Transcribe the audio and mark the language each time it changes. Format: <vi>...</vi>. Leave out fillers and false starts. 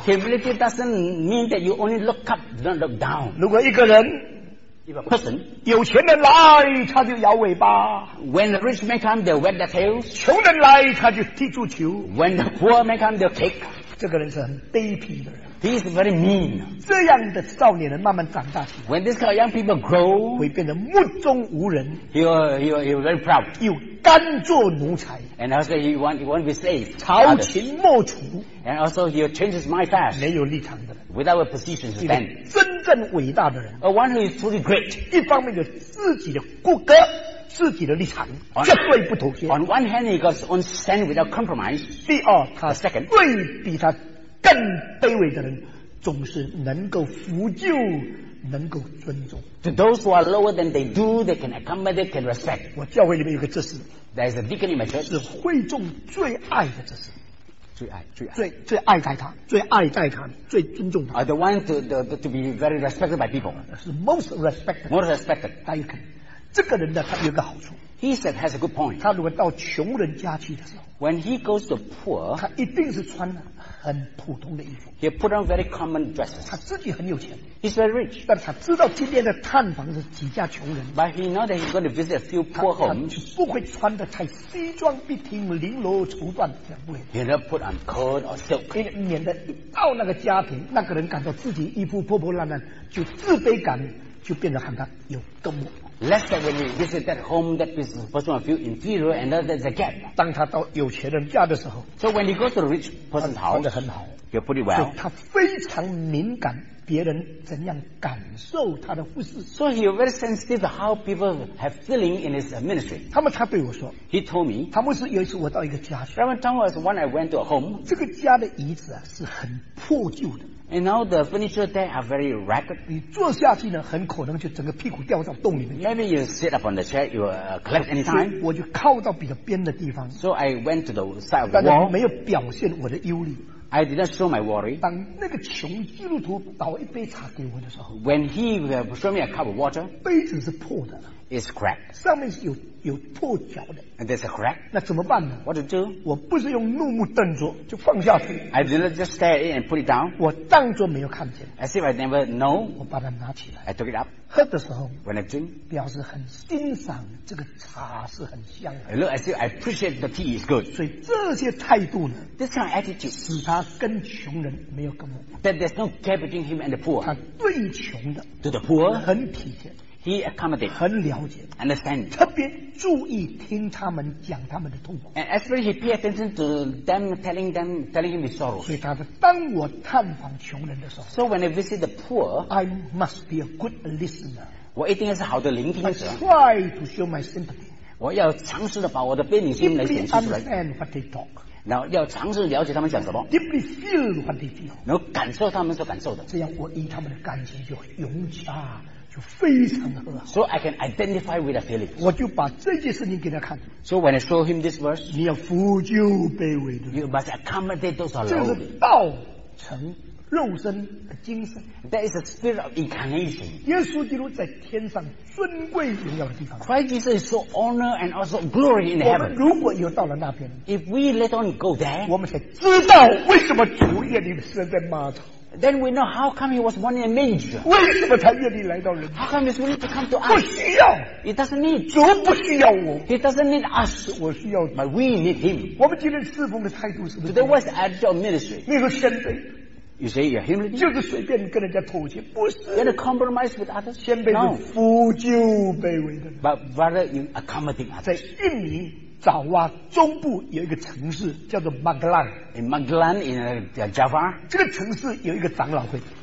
<en>Humility doesn't mean that you only look up, don't look down.</en> <zh>如果一个人</zh> <en>If a person,</en> <zh>有钱人来他就摇尾巴</zh> <en>When the rich man come, they'll wag their tails</en> <zh>穷人来他就踢足球</zh> <en>When the poor man come, they'll kick</en> <zh>这个人是很卑鄙的人</zh> <en>He is very mean</en> <zh>这样的少年人慢慢长大</zh> <en>When this kind of young people grow</en> <zh>会变得目中无人</zh> <en>He'll very proud</en> <zh>又甘做奴才</zh> <en>And also he won't be slave</en> <zh>朝秦莫楚</zh> <en>And also he'll change his mind fast</en> <zh>没有立场的人</zh> <en>Without a position to stand</en> <zh>更伟大的人</zh> <en>，a one who is truly great，</en> <zh>一方面有自己的骨骼、自己的立场，</zh> <en>on,</en> <zh>绝对不妥协。</zh> <en>On one hand, he goes on stand without compromise.</en> <zh>第二，他</zh> <en>second</en> <zh>对比他更卑微的人，总是能够扶救，能够尊重。</zh> <en>To those who are lower than they do, they can accommodate, can respect.</en> <zh>我教会里面有个执事</zh> <en>，there is a deacon in my church，</en> <zh>是会众最爱的执事。最爱最爱最最爱戴他，最爱戴他，最尊重他。</zh> <en>The one to be very respected by people. 是 most respected. Most respected.</en> <zh>大家看，这个人呢，他有个好处。</zh> <en>He said has a good point.</en> <zh>他如果到穷人家去的时候</zh> <en>，When he goes to poor，</en> <zh>他一定是穿很普通的衣服。</zh> <en>He put on very common dresses.</en> <zh>他自己很有钱。</zh> <en>He's very rich.</en> <zh>但他知道今天的探访是几家穷人。</zh> <en>But he knows that he's going to visit a few poor homes.</en> <zh>他不会穿的太西装笔挺、绫罗绸缎，这样不会。</zh> <en>He never put on coat or silk.</en> <zh>免得一到那个家庭，那个人感到自己衣服破破烂烂，就自卑感就变得很大，有多么。</zh> <en>Less than when he visits that home, that person will feel inferior, and there's a gap.</en> <zh>当他到有钱人家的时候</zh> <en>，So when he goes to the rich person's house,</en> <zh>穿得很好</zh> <en>，You're pretty well.</en> <zh>他非常敏感别人怎样感受他的服饰</zh> <en>，So he's very sensitive to how people have feeling in his ministry.</en> <zh>他对我说</zh> <en>，He told me,</en> <zh>他们是有一次我到一个家去</zh> <en>，Reverend Tom was one I went to a home.</en> <zh>这个家的椅子啊是很破旧的。</zh> <en>And now the furniture there are very ragged.</en> <zh>你坐下去呢，很可能就整个屁股掉到洞里面。</zh> <en>Maybe you sit up on the chair, you collapse anytime.</en> <zh>我就靠到比较边的地方。</zh> <en>So I went to the side of the wall.</en> <zh>但是没有表现我的忧虑。</zh> <en>I did not show my worry.</en> <zh>当那个穷基督徒倒一杯茶给我的时候</zh> <en>，When he showed me a cup of water,</en> <zh>杯子是破的。</zh> <en>It's cracked.</en> <zh>上面是有破角的。</zh> <en>And there's a crack.</en> <zh>那怎么办呢</zh> <en>？What to do?</en> <zh>我不是用怒目瞪着就放下去。</zh> <en>I didn't just stare at it and put it down.</en> <zh>我当作没有看见。</zh> <en>As if I never know.</en> <zh>我把它拿起来。</zh> <en>I took it up.</en> <zh>喝的时候</zh> <en>，When I drink,</en> <zh>表示很欣赏这个茶是很香的。</zh> <en>I look as if I appreciate the tea is good.</en> <zh>所以这些态度呢</zh> <en>，This kind of attitude</en> <zh>使他跟穷人没有隔膜。</zh> <en>That there's no gap between him and the poor.</en> <zh>他对穷的</zh> <en>，To the poor,</en> <zh>很体贴。</zh> <en>He accommodated,</en> <zh>很了解</zh> <en>understand,</en> <zh>特别注意听他们讲他们的痛苦</zh> <en>and especially he paid attention to them telling them telling him his sorrow 所以他说当我探访穷人的时候 so when I visit the poor I must be a good listener</en> <zh>我一定是好的聆听者</zh> <en>I try to show my sympathy</en> <zh>我要尝试的把我的悲悯心来显示出来</zh> <en>deeply understand what they talk</en> <zh>然后要尝试了解他们讲什么</zh> <en>deeply feel what they feel</en> <zh>然后感受他们所感受的这样我依他们的感情就融洽就非常的好</zh> <en>So I can identify with the feeling.</en> <zh>我就把这件事情给他看。</zh> <en>So when I show him this verse,</en> <zh>你要扶救卑微的。</zh> <en>You must accommodate those who are lowly.</en> <zh>这是道成肉身的精神。</zh> <en>That is the spirit of incarnation.</en> <zh>耶稣基督在天上尊贵荣耀的地方。</zh> <en>Christ Jesus is so honor and also glory in heaven.</en> <zh>我们如果有到了那边</zh> <en>，If we let on go there,</en> <zh>我们才知道为什么主耶稣生在马槽。</zh> <en>Then we know how come he was born in a manger.</en> <zh>为什么他愿意来到人间？</zh> <en>How come he's willing to come to us?</en> <zh>不需要。</zh> <en>He doesn't need.</en> <zh>主不需要我。</zh> <en>He doesn't need us.</en> <zh>我需要。</zh> <en>But we need him.</en> <zh>我们今天侍奉的态度是不是？</zh> <en>Today what's the attitude of ministry?</en> <zh>你说谦卑。</zh> <en>You say you're humility.</en> <zh>就是随便跟人家妥协，不是。</zh> <en>You're gonna compromise with others.</en> <zh>谦卑是扶救卑微的。</zh> <en>But rather you accommodating others.</en> <zh>在印尼。爪哇中部有一个城市叫做 Magelang</zh> <en>in Magelang in Java</en> <zh>这个城市有一个长老会</zh>